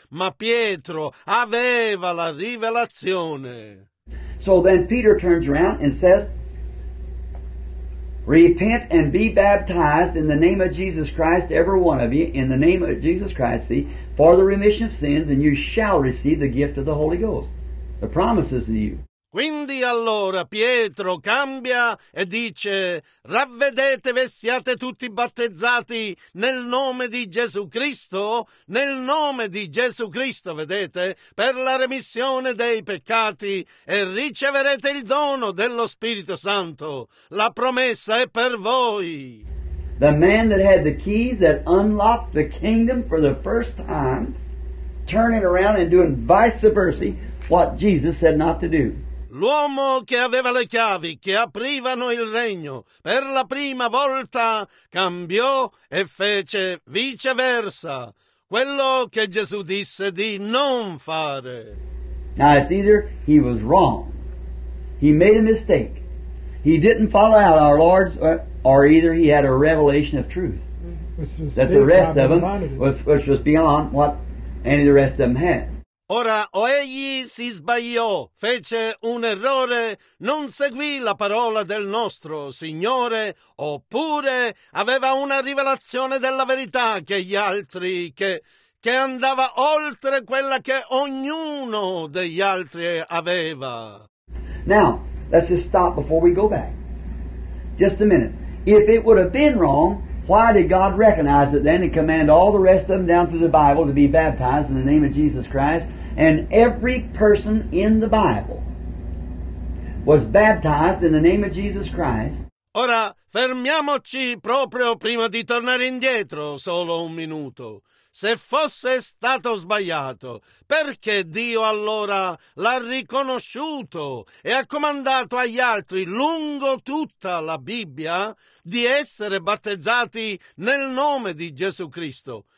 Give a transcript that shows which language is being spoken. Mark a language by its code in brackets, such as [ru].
[it] Ma Pietro aveva la rivelazione. [en] So then Peter turns around and says, repent and be baptized in the name of Jesus Christ, every one of you, in the name of Jesus Christ, see, for the remission of sins, and you shall receive the gift of the Holy Ghost. The promises to you. [it] Quindi allora Pietro cambia e dice, ravvedetevi e siate tutti battezzati nel nome di Gesù Cristo, nel nome di Gesù Cristo, vedete, per la remissione dei peccati e riceverete il dono dello Spirito Santo. La promessa è per voi. [en] The man that had the keys that unlocked the kingdom for the first time, turning around and doing vice versa what Jesus said not to do. [it] L'uomo che aveva le chiavi che aprivano il regno per la prima volta cambiò e fece viceversa quello che Gesù disse di non fare. [en] Now it's either he was wrong, he made a mistake, he didn't follow out our Lord's, or either he had a revelation of truth that the rest of them, which was beyond what any of the rest of them had. [it] Ora, o egli si sbagliò, fece un errore, non seguì la parola del nostro Signore, oppure aveva una rivelazione della verità che gli altri, che andava oltre quella che ognuno degli altri aveva. [en] Now, let's just stop before we go back. Just a minute. If it would have been wrong, why did God recognize it then and command all the rest of them down through the Bible to be baptized in the name of Jesus Christ? And every person in the Bible was baptized in the name of Jesus Christ. [it] Ora, fermiamoci proprio prima di tornare indietro, solo un minuto. Se fosse stato sbagliato, perché Dio allora l'ha riconosciuto e ha comandato agli altri lungo tutta la Bibbia di essere battezzati nel nome di Gesù Cristo?